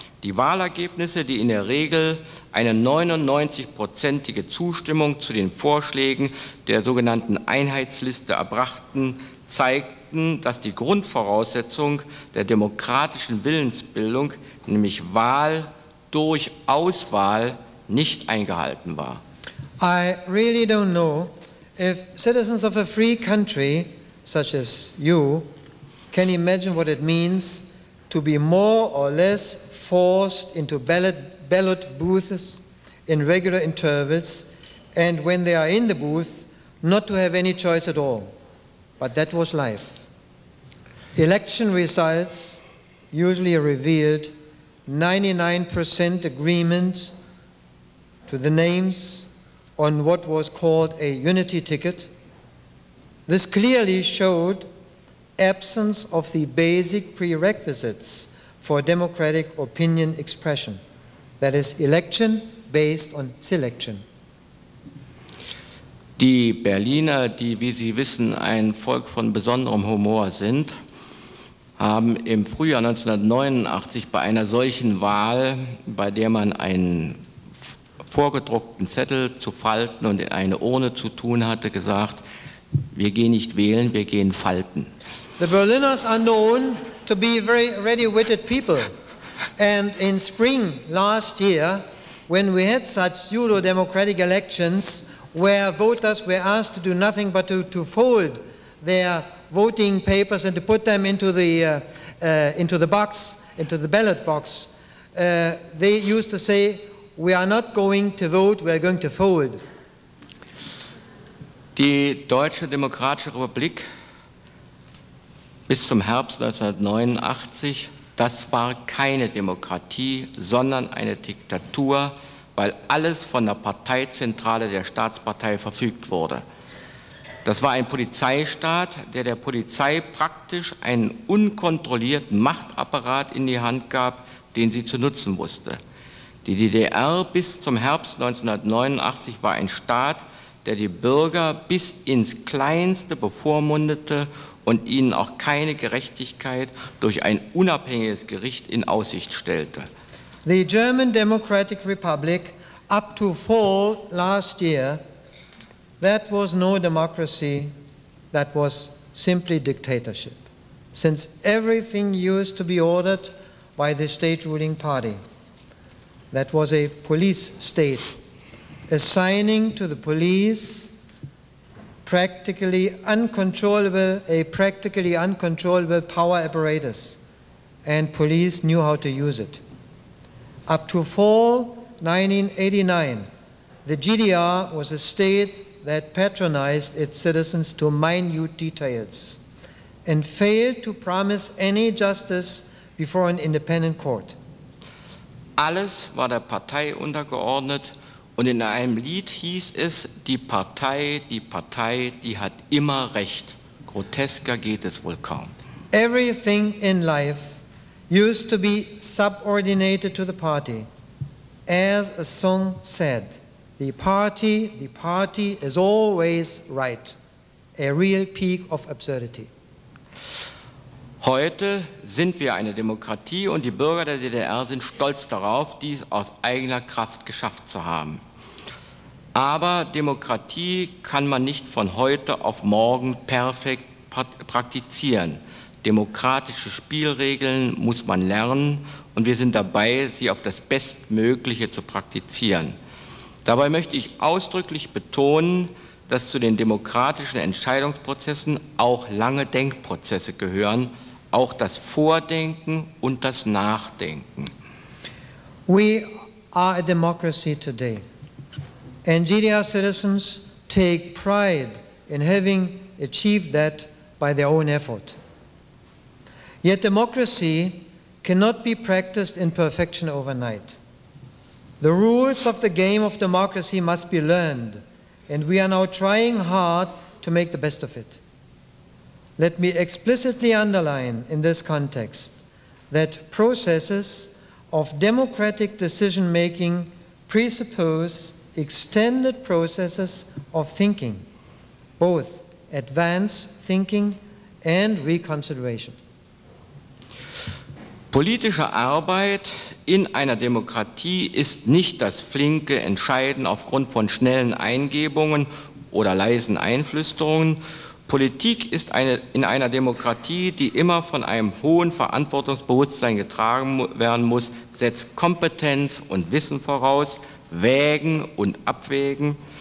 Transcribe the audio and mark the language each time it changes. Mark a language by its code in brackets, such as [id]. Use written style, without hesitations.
[de] Die Wahlergebnisse, die in der Regel eine 99-prozentige Zustimmung zu den Vorschlägen der sogenannten Einheitsliste erbrachten, zeigten, dass die Grundvoraussetzung der demokratischen Willensbildung, nämlich Wahl durch Auswahl, nicht eingehalten war. [en] I really don't know if citizens of a free country, such as you, can imagine what it means to be more or less forced into ballot booths in regular intervals, and when they are in the booth, not to have any choice at all. But that was life. Election results usually revealed 99% agreement to the names on what was called a unity ticket. This clearly showed absence of the basic prerequisites for democratic opinion expression, that is, election based on selection. [de] Die Berliner, die, wie Sie wissen, ein Volk von besonderem Humor sind, haben im Frühjahr 1989 bei einer solchen Wahl, bei der man einen vorgedruckten Zettel zu falten und in eine Urne zu tun hatte, gesagt: Wir gehen nicht wählen, wir gehen falten. [en] The Berliners are known to be very ready-witted people. And in spring last year, when we had such pseudo-democratic elections, where voters were asked to do nothing but to fold their voting papers and to put them into the ballot box, they used to say, "We are not going to vote, we are going to fold." [de] Die Deutsche Demokratische Republik bis zum Herbst 1989, das war keine Demokratie, sondern eine Diktatur, weil alles von der Parteizentrale der Staatspartei verfügt wurde. Das war ein Polizeistaat, der der Polizei praktisch einen unkontrollierten Machtapparat in die Hand gab, den sie zu nutzen wusste. Die DDR bis zum Herbst 1989 war ein Staat, der die Bürger bis ins Kleinste bevormundete und ihnen auch keine Gerechtigkeit durch ein unabhängiges Gericht in Aussicht stellte. [en] The German Democratic Republic up to fall last year, that was no democracy, that was simply dictatorship, since everything used to be ordered by the state ruling party. That was a police state, assigning to the police practically uncontrollable power apparatus, and police knew how to use it. Up to fall 1989, the GDR was a state that patronized its citizens to minute details and failed to promise any justice before an independent court. [de] Alles war der Partei untergeordnet, und in einem Lied hieß es, die Partei, die hat immer recht. Grotesker geht es wohl kaum. [en] Everything in life used to be subordinated to the party. As a song said, the party is always right. A real peak of absurdity. [de] Heute sind wir eine Demokratie und die Bürger der DDR sind stolz darauf, dies aus eigener Kraft geschafft zu haben. Aber Demokratie kann man nicht von heute auf morgen perfekt praktizieren. Demokratische Spielregeln muss man lernen und wir sind dabei, sie auf das Bestmögliche zu praktizieren. Dabei möchte ich ausdrücklich betonen, dass zu den demokratischen Entscheidungsprozessen auch lange Denkprozesse gehören, auch das Vordenken und das Nachdenken. [en] We are a democracy today. And GDR citizens take pride in having achieved that by their own effort. Yet democracy cannot be practiced in perfection overnight. The rules of the game of democracy must be learned, and we are now trying hard to make the best of it. Let me explicitly underline in this context that processes of democratic decision making presuppose extended processes of thinking, both advanced thinking and reconsideration. [de] Politische Arbeit in einer Demokratie ist nicht das flinke Entscheiden aufgrund von schnellen Eingebungen oder leisen Einflüsterungen. Politik ist in einer Demokratie, die immer von einem hohen Verantwortungsbewusstsein getragen werden muss, setzt Kompetenz und Wissen voraus, Wägen und Abwägen.